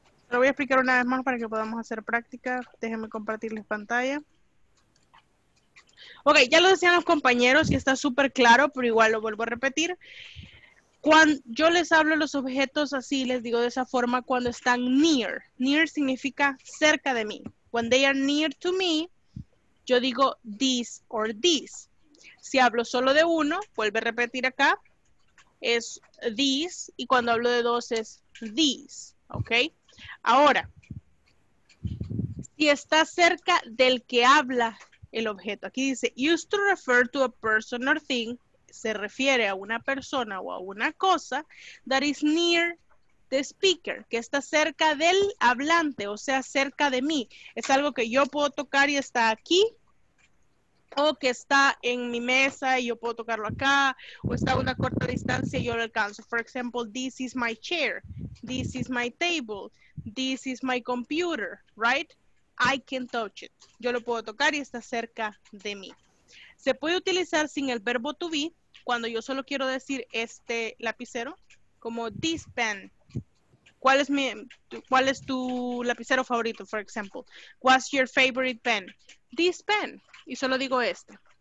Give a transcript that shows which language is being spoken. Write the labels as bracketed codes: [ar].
[es] Lo voy a explicar una vez más para que podamos hacer práctica. Déjenme compartirles pantalla. Ok, ya lo decían los compañeros y está súper claro, pero igual lo vuelvo a repetir. Cuando yo les hablo los objetos así, les digo de esa forma, cuando están near. Near significa cerca de mí. [en] When they are near to me, [es] yo digo [en] this or this. [es] Si hablo solo de uno, vuelve a repetir acá, es this. Y cuando hablo de dos es this, ¿ok? Ahora, si está cerca del que habla el objeto, aquí dice, [en] used to refer to a person or thing, [es] se refiere a una persona o a una cosa, [en] that is near the speaker, [es] que está cerca del hablante, o sea, cerca de mí. Es algo que yo puedo tocar y está aquí, o que está en mi mesa y yo puedo tocarlo acá, o está a una corta distancia y yo lo alcanzo. [en] For example, this is my chair, this is my table, this is my computer, right? I can touch it. [es] Yo lo puedo tocar y está cerca de mí. Se puede utilizar sin el verbo to be cuando yo solo quiero decir este lapicero, como [en] this pen. [es] ¿Cuál es tu lapicero favorito, for example? [en] What's your favorite pen? This pen. [es] Y solo digo este.